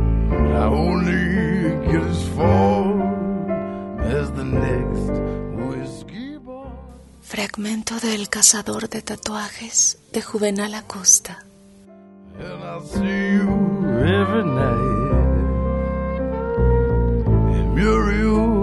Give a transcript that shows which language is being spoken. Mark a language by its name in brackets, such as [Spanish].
[English] And I only get as far as the next whiskey bar. [Spanish] Fragmento del cazador de tatuajes de Juvenal Acosta. [English] And I see you every night in Muriel.